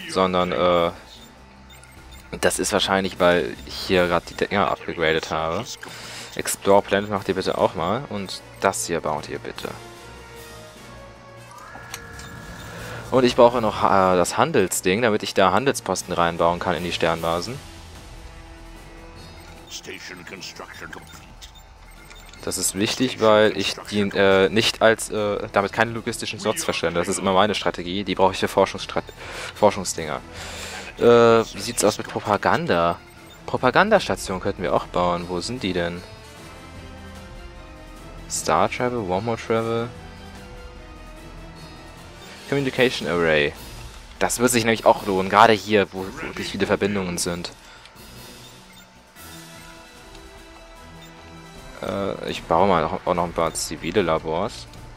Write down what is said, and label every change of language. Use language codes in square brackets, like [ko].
[de] Sondern, das ist wahrscheinlich, weil ich hier gerade die Dinger abgegradet habe. Explore Planet macht ihr bitte auch mal. Und das hier baut ihr bitte. Und ich brauche noch das Handelsding, damit ich da Handelsposten reinbauen kann in die Sternbasen. [en] Station Construction complete. [de] Das ist wichtig, weil ich die nicht als damit keine logistischen Slots verschwende. Das ist immer meine Strategie. Die brauche ich für Forschungsdinger. Wie sieht's aus mit Propaganda? Propagandastation könnten wir auch bauen. Wo sind die denn? Star Travel, One More Travel, Communication Array. Das wird sich nämlich auch lohnen, gerade hier, wo wirklich viele Verbindungen sind. Ich baue mal auch noch ein paar zivile Labors.